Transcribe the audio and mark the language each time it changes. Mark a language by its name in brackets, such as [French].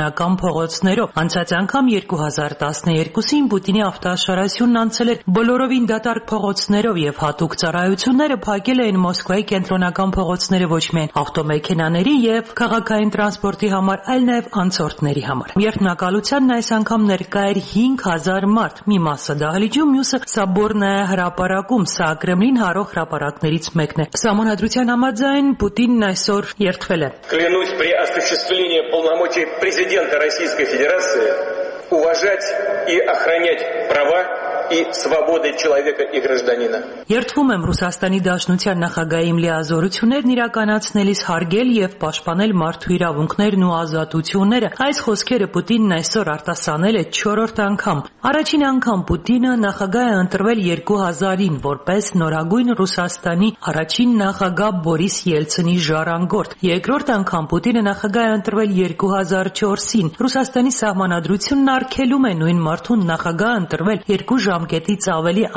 [Armenian] կենտրոնական փողոցներով։ Անցած անգամ 2012-ին Պուտինի ավտոշարասյունն անցել էր բոլորովին դատարկ փողոցներով, և հատուկ ծառայությունները փակել էին Մոսկվայի կենտրոն նական փողոցները ոչ միայն ավտոմեքենաների եւ քաղաքային տրանսպորտի համար, այլ նաեւ անցորդների համար։ Երթնակալությանն այս անգամ ներկա էր 5000 մարդ, մի մասը դահլիճում, մյուսը Սաբորնայա հրապարակում, սա Կրեմլին հարող հրապարակներից մեկն է։ Համանահդրության համաձայն Պուտինն այսօր երթվել է։ [Russian] Клянусь при осуществлении полномочий президента Российской Федерации уважать и охранять права и свободы человека и гражданина. [Armenian] Երթվում եմ Ռուսաստանի Դաշնության նախագահի լիազորություններն իրականացնելիս հարգել եւ պաշտպանել մարդու իրավունքներն ու ազատությունները։ Այս խոսքերը Պուտինն այսօր արտասանել է 4-րդ անգամ։ Առաջին անգամ Պուտինը նախագահ է ընտրվել 2000-ին որպես նորագույն Ռուսաստանի առաջին նախագահ Բորիս Ելցինի ժառանգորդ։ Երկրորդ անգամ Պուտինը նախագահ է ընտրվել 2004-ին։ Ռուսաստանի սահմանադրությունն արգելում է նույն մարդուն նախագահ ընտրվել երկու ժամկետից ավելի